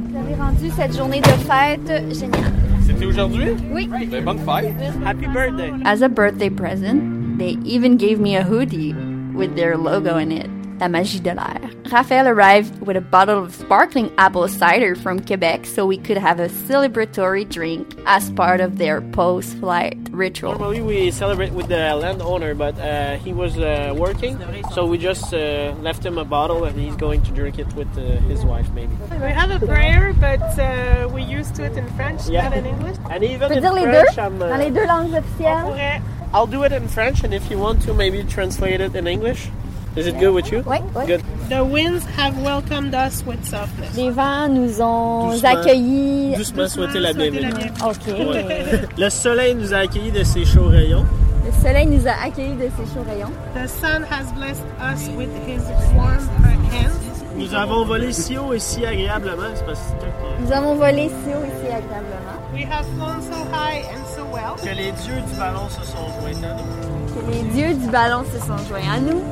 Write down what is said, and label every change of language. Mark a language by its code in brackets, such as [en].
[fr] Vous avez rendu cette journée de fête géniale. C'était aujourd'hui? Oui. Bonne fête. [en] Happy birthday. As a birthday present, they even gave me a hoodie with their logo in it. [fr] la magie de l'air. [en] Raphaël arrived with a bottle of sparkling apple cider from Quebec so we could have a celebratory drink as part of their post-flight ritual. Normally we celebrate with the landowner, but he was working, so we just left him a bottle and he's going to drink it with his wife, maybe. We have a prayer, but we used to it in French, yeah. Not in English. And even [fr] peut-être [en] in [fr] les [en] French, [fr] deux? [en] I'm... [fr] Dans les deux langues officielles. On pourrait... [en] I'll do it in French, and if you want to, maybe translate it in English. Is it good with you? [fr] Oui, oui. [en] Good. The winds have welcomed us with softness. [fr] Les vents nous ont accueillis. Doucement souhaité la bienvenue. OK. Le soleil nous a accueillis de ses chauds rayons. Le soleil nous a accueillis de ses chauds rayons. [en] The sun has blessed us with his warm hands. [fr] Nous avons volé si haut et si agréablement. C'est parce que... Nous avons volé si haut et si agréablement. [en] We have flown so high and so well. [fr] Que les dieux du ballon se sont joints à nous. Que les dieux du ballon se sont joints à nous.